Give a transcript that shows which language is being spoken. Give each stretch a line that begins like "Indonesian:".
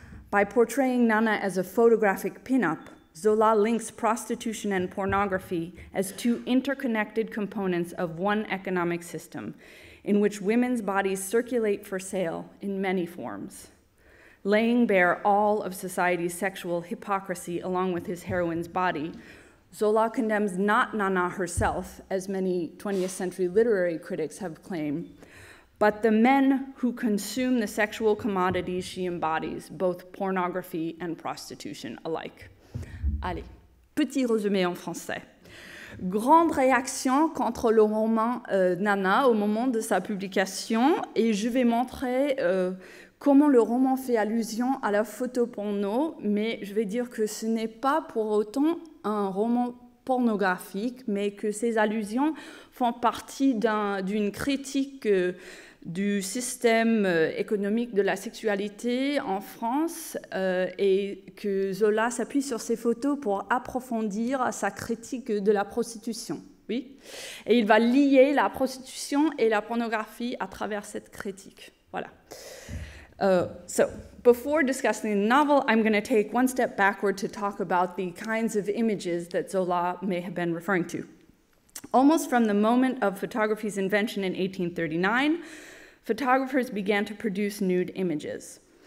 English: By portraying Nana as a photographic pinup, Zola links prostitution and pornography as two interconnected components of one economic system in which women's bodies circulate for sale in many forms, laying bare all of society's sexual hypocrisy along with his heroine's body. Zola condemns not Nana herself, as many 20th century literary critics have claimed, but the men who consume the sexual commodities she embodies, both pornography and prostitution alike.
French: Allez, petit résumé en français. Grande réaction contre le roman Nana au moment de sa publication, et je vais montrer comment le roman fait allusion à la photo porno, mais je vais dire que ce n'est pas pour autant un roman pornographique, mais que ces allusions font partie d'une critique du système économique de la sexualité en France, et que Zola s'appuie sur ces photos pour approfondir sa critique de la prostitution. Oui, et il va lier la prostitution et la pornographie à travers cette critique. Voilà.
English: So, before discussing the novel, I'm going to take one step backward to talk about the kinds of images that Zola may have been referring to. Almost from the moment of photography's invention in 1839, photographers began to produce nude images.